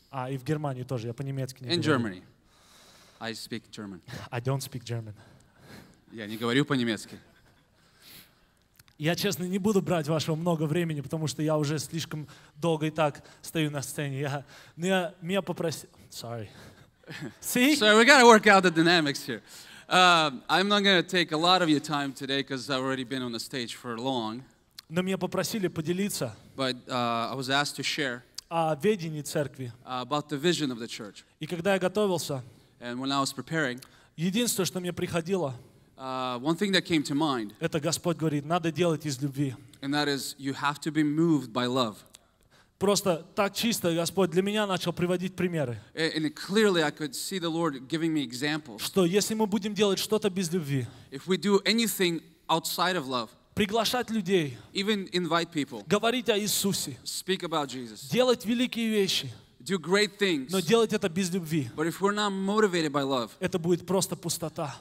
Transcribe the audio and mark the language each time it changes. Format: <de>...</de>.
<ru>А, и в Германии тоже, я по-немецки не</ru> <en>in</en> <ru>говорю.</ru> <en>In Germany. I speak German. I don't speak German.</en> <ru>Я не говорю по-немецки. Я, честно, не буду брать вашего много времени, потому что я уже слишком долго и так стою на сцене. Меня попросили...</ru> <en>Sorry. See? Sorry, we gotta work out the dynamics here. I'm not gonna take a lot of your time today, because I've already been on the stage for long.</en> <ru>Но меня попросили поделиться.</ru> <en>But I was asked to share.</en> <ru>О видении церкви.</ru> <en>About the vision of the church.</en> <ru>И когда я готовился...</ru> <en>And when I was preparing...</en> <ru>Единственное, что мне приходило...</ru> <en>One thing that came to mind.</en> <ru>Это Господь говорит, надо делать из любви.</ru> <en>And that is, you have to be moved by love.</en> <ru>Просто так чисто Господь для меня начал приводить примеры.</ru> <en>And clearly I could see the Lord giving me examples.</en> <ru>Что если мы будем делать что-то без любви?</ru> <en>If we do anything outside of love.</en> <ru>Приглашать людей.</ru> <en>Even invite people.</en> <ru>Говорить о Иисусе.</ru> <en>Speak about Jesus.</en> <ru>Делать великие вещи.</ru> <en>Do great things.</en> <ru>Но делать это без любви.</ru> <en>But if we're not motivated by love,</en> <ru>это будет просто пустота.</ru>